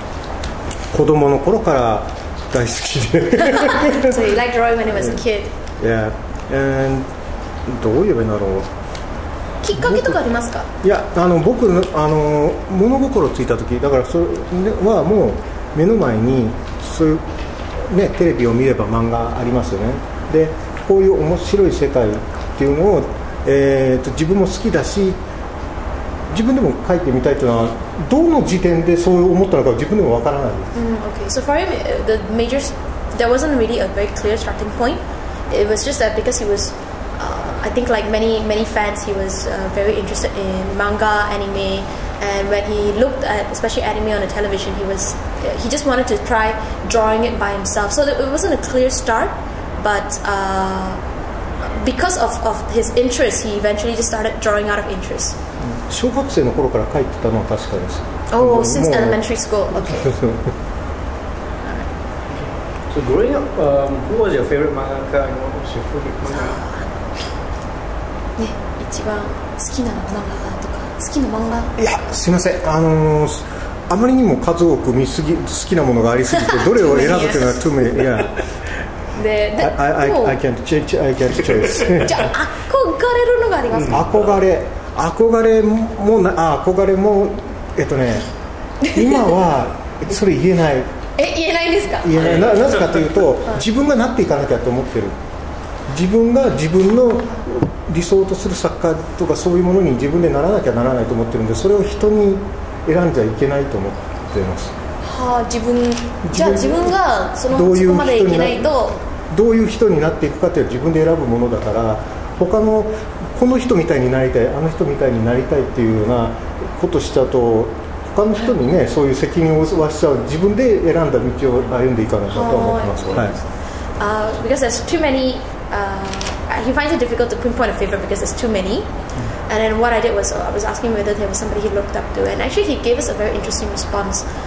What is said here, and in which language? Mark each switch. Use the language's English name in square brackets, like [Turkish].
[Japanese] どんな風に始めたか、子供の頃から。 [English] So you liked drawing when it was a kid? Yeah. And [Japanese] どう言えばいいんだろう。きっかけとかありますか？いや、あの僕あの物心ついた時だから、それではもう目の前にそういうね、テレビを見れば漫画ありますよね。で、こういう面白い世界っていうのを、自分も好きだし、自分でも描いてみたいというのは、どの時点でそう思ったのか自分でもわからないです。 [English] Okay, so for him, the major, there wasn't really a very clear starting point. It was just that because he was, I think like many, many fans, he was very interested in manga, anime, and when he looked at, especially anime on the television, he just wanted to try drawing it by himself. So it wasn't a clear start, but because of his interest, he eventually just started drawing out of interest. [Japanese] 小学生の頃から描いてたのは確かです。 [English] Oh, well, since elementary school. Okay. So growing up, who was your favorite mangaka and what was your favorite manga? [Japanese] ね、一番好きな漫画とか、好きな漫画。いや、すみません。あまりにも数多く見すぎ、好きなものがありすぎて、どれを選ぶというのは [English] too many. Yeah. I can't choose. [Japanese] じゃあ、憧れるのがありますか？憧れ。憧れもな、あ、憧れも、今はそれ言えない。え、言えないんですか？言えない。なぜかというと、自分がなっていかなきゃと思ってる。自分が自分の理想とする作家とかそういうものに自分でならなきゃならないと思ってるんで、それを人に選んじゃいけないと思ってます。はあ、自分がそこまでいけないと。どういう人になっていくかというのは自分で選ぶものだから、他のこの人みたいになりたい、あの人みたいになりたいっていうようなことしちゃうと、他の人にね、そういう責任を負わしちゃう、自分で選んだ道を歩んでいかないかと思ってます。はい。 [English] Because there's too many, he finds it difficult to pinpoint a favorite because there's too many. And then what I did was, I was asking whether there was somebody he looked up to, and actually he gave us a very interesting response.